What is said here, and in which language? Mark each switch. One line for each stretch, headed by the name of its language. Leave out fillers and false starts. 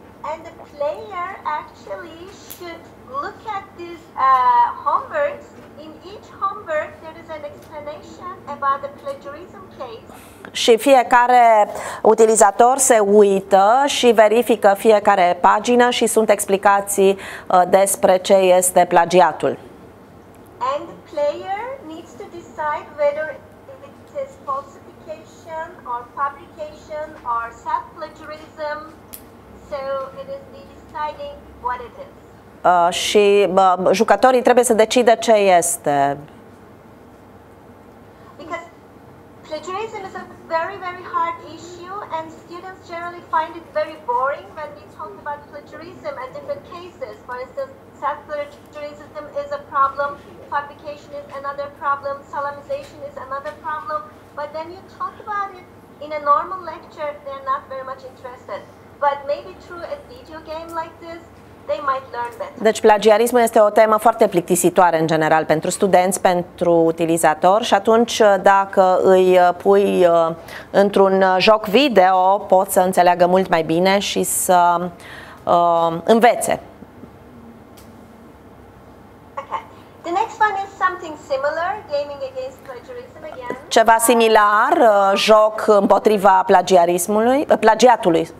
English: And the player actually should look at these homeworks. In each homework there is an explanation about the plagiarism case.
Romanian: Și fiecare utilizator se uită și verifică fiecare pagină și sunt explicații despre ce este plagiatul.
English: And the player needs to decide whether if it is falsification or fabrication or self-plagiarism. So it is deciding what it is.
Romanian: Și jucătorii trebuie să decide ce este.
English: Because plagiarism is a very, very hard issue and students generally find it very boring when we talk about plagiarism and different cases. For instance, self-plagiarism is a problem. Fabrication is another problem, solemnization is another problem, but then you talk about it in a normal lecture, they're not very much interested. But maybe through a video game like this, they might learn better.
Romanian: Deci plagiarismul este o temă foarte plictisitoare în general pentru studenți, pentru utilizatori, și atunci dacă îi pui într-un joc video, pot să înțeleagă mult mai bine și să învețe.
English: The next one is something similar, gaming against plagiarism again.
Romanian: Ceva similar, joc împotriva plagiarismului, plagiatului.